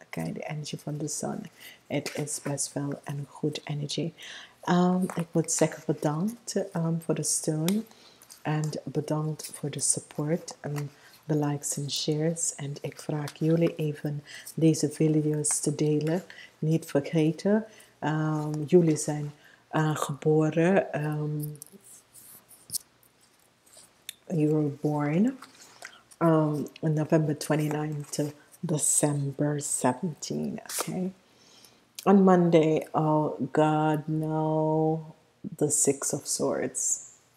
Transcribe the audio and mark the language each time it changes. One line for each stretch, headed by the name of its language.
English: Okay, the energy from the sun, it is blissful and good energy. It would say bedankt for the stone, and bedankt for the support and the likes and shares.
Dutch: And ik vraag jullie even deze video's te delen. Niet vergeten, jullie zijn geboren.
English: You were born on November 29 to December 17. Okay. On Monday, oh God, no, the Six of Swords.